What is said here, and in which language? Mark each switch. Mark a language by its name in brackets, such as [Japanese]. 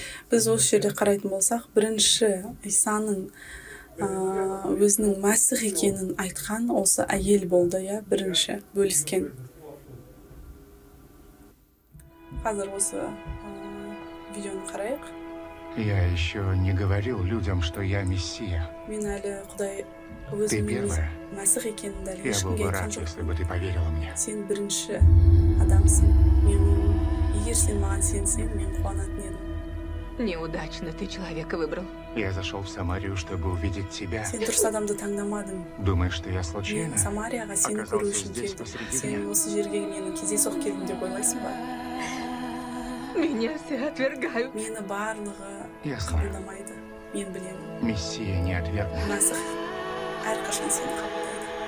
[Kazakh] Біз осы жерде қарайтын болсақ, бірінші Исаның өзінің Мәсіх екенін айтқан осы әйел болды, иә, бірінші бөліскен. Қазір осы видеоны қарайық. [Russian] Я еще не говорил людям, что я мессия. [Kazakh] Мен әлі Құдай өзінің Мәсіх екенін дәлелдеп ешкімге айтқан жоқ. [Russian] Если бы ты поверила мне. [Kazakh] Сен бірінші адамсың. Мен егер сен маған сенсең, мен қуанатын едім. [Russian] Неудачно ты человека выбрал. Я зашел в Самарию, чтобы увидеть тебя. [Kazakh] Сен дұрыс адамды таңдамадым. [Russian] Думаешь, что я случайно? [Kazakh] Мен Самарияға сені көру үшін келдім. Сен осы жерге мені кездейсоқ келдім деп ойлайсың ба? [Russian] Меня все отвергают. [Kazakh] Мені барлығы қабылдамайды. Мен білемін. [Russian] Мессия не отвергнет. [Kazakh] Мәсіх әрқашан сені қабылдайды.